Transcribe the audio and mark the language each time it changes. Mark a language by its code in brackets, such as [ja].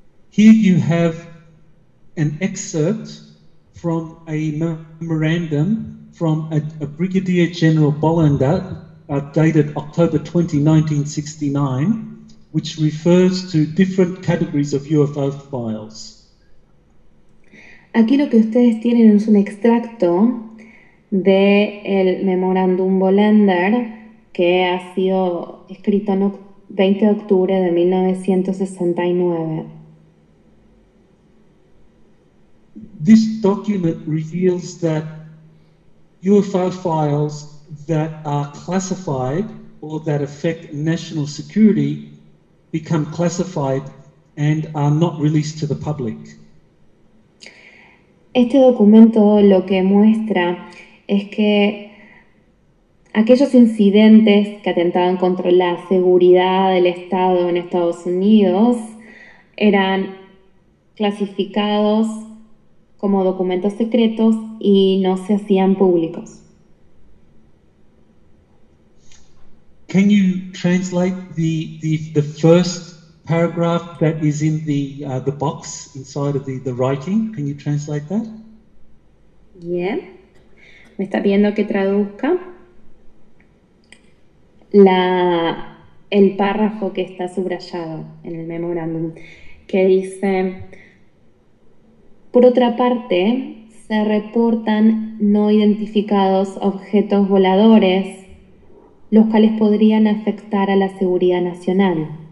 [en] Here you have an excerpt from a memorandum from a Brigadier General Bollander, dated October 20, 1969, which refers to different categories of UFO files. [es] Aquí lo que ustedes tienen es un extracto de el memorándum Bollander que ha sido escrito en 20 de octubre de 1969. [en] This document reveals that UFO files that are classified or that affect national security become classified and are not released to the public. [es] Este documento lo que muestra es que aquellos incidentes que atentaban contra la seguridad del Estado en Estados Unidos eran clasificados como documentos secretos y no se hacían públicos. [en] Can you translate the first paragraph that is in the box inside of the writing? Can you translate that? Yeah. [es] Me está pidiendo que traduzca el párrafo que está subrayado en el memorándum, que dice: por otra parte, se reportan no identificados objetos voladores, los cuales podrían afectar a la seguridad nacional.